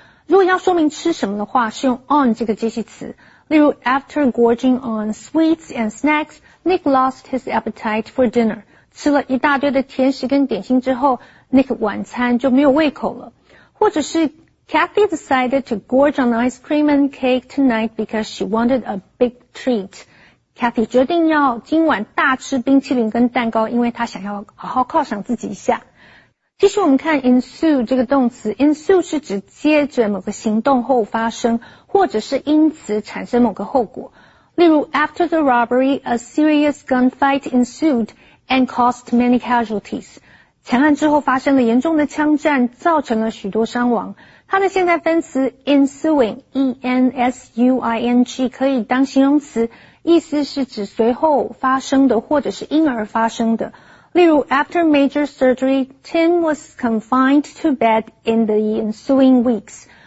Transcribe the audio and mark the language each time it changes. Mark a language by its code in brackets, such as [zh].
[zh] 如果要说明吃什么的话，是用 on 这个介系词。例如 [en] ，After gorging on sweets and snacks, Nick lost his appetite for dinner. [zh] 吃了一大堆的甜食跟点心之后 ，Nick 晚餐就没有胃口了。或者是 [en] Kathy decided to gorge on ice cream and cake tonight because she wanted a big treat. [zh] Kathy 决定要今晚大吃冰淇淋跟蛋糕，因为她想要好好犒赏自己一下。继续我们看 ensue 这个动词， ensue 是指接着某个行动后发生，或者是因此产生某个后果。例如 [en] ，After the robbery, a serious gunfight ensued and caused many casualties. [zh] 抢案之后发生了严重的枪战，造成了许多伤亡。它的现在分词 ensuing, E-N-S-U-I-N-G, 可以当形容词，意思是指随后发生的或者是因而发生的。例如 [en] ,after major surgery, Tim was confined to bed in the ensuing weeks.